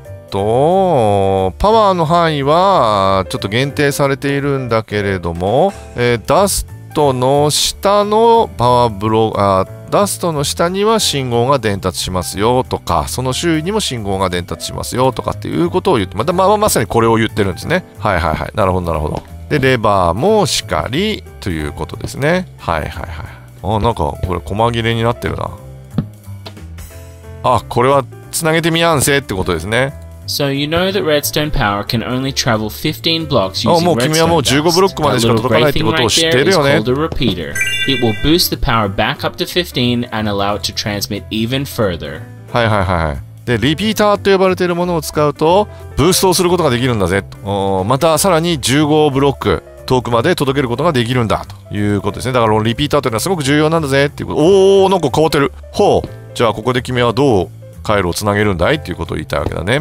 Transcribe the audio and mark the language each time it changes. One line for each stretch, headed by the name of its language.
Japanese: パワーの範囲はちょっと限定されているんだけれども、ダストの下のパワーブロー、ダストの下には信号が伝達しますよとか、その周囲にも信号が伝達しますよとかっていうことを言って、また、まさにこれを言ってるんですね。はいはいはい、なるほどなるほど。でレバーもしかりということですね。はいはいはい。あ、なんかこれ細切れになってるな。あ、これはつなげてみやんせってことですね。
English: So you know that redstone power can only travel 15 blocks using
Japanese: redstone dust. もう君はもう15ブロックまでしか届かないってことを知ってるよね。
English: It's called a repeater. It will boost the power back up to 15 and allow it to transmit even further.
Japanese: はいはいはい。で、リピーターと呼ばれているものを使うと、ブーストをすることができるんだぜ。またさらに15ブロック遠くまで届けることができるんだということですね。だからリピーターというのはすごく重要なんだぜっていうこと。おー、なんか変わってる。ほう。じゃあここで君はどう回路をつなげるんだいっていうことを言いたいわけだね。